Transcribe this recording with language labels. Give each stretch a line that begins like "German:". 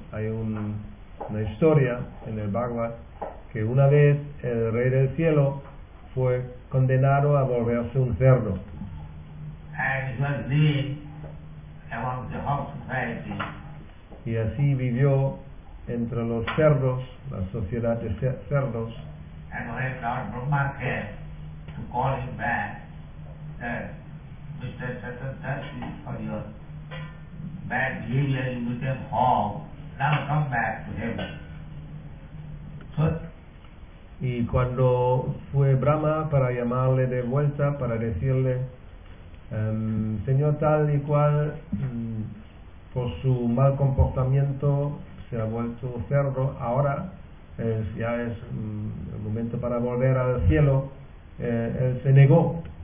Spanish: Hay una historia en el Bhagavad que una vez el rey del cielo fue condenado a volverse un cerdo.
English: And he was living among the hog society.
Spanish: Y así vivió entre los cerdos, la sociedad de cerdos.
English: And when Lord Brahma came to call him back, said, Mr. Satyantash, for your bad behavior you became hog. Now come back to heaven. So,
Spanish: y cuando fue Brahma para llamarle de vuelta, para decirle, señor tal y cual, por su mal comportamiento se ha vuelto cerdo, ahora ya es el momento para volver al cielo, él se negó.